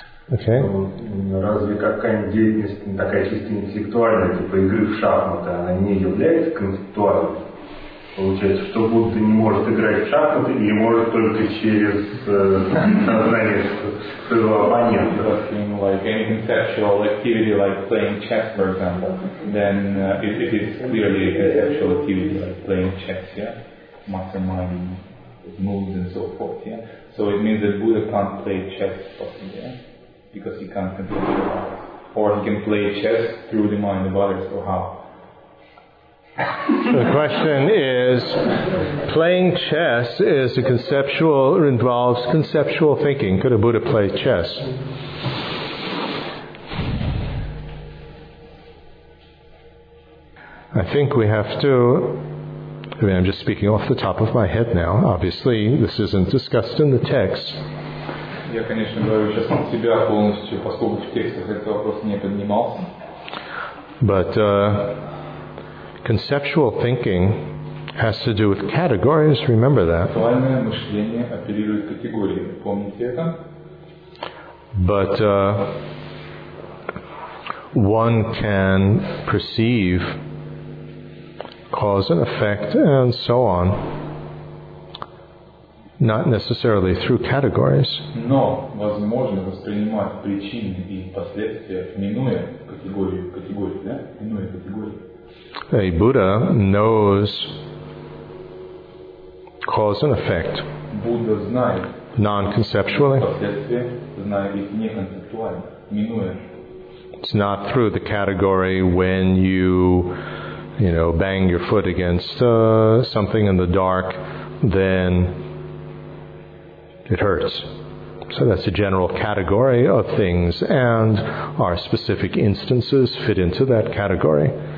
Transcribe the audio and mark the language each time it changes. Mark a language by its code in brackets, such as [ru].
[en] Okay. [ru] Разве какая-нибудь деятельность такая чисто интеллектуальная, типа игры в шахматы, она не является концептуальной? Получается, что Будда не может играть в шахматы и может только через сознание своего оппонента. [en] Something like any conceptual activity, like playing chess, for example, then it is clearly a conceptual activity, like playing chess, yeah? Mastermind moves and so forth, yeah? So it means that Buddha can't play chess possibly, yeah? Because he can't control the mind. Or he can play chess through the mind of others, or how? The question is, playing chess is a conceptual, involves conceptual thinking. Could a Buddha play chess? I think we have to, I mean, I'm just speaking off the top of my head now. Obviously, this isn't discussed in the text. [ru] Я, конечно, говорю сейчас от себя полностью, поскольку в текстах этот вопрос не поднимался. [en] But conceptual thinking has to do with categories, remember that. [ru] Концептуальное мышление оперирует категориями, помните это? [en] But one can perceive cause and effect and so on, not necessarily through categories. [ru] Но возможно воспринимать причины и последствия, минуя категорию, минуя категорию. [en] A Buddha knows cause and effect. [ru] Buddha знает [en] non-conceptually. [ru] Последствия, зная их не концептуально, минуя. [en] It's not through the category when you, you know, bang your foot against something in the dark, then it hurts. So that's a general category of things, and our specific instances fit into that category.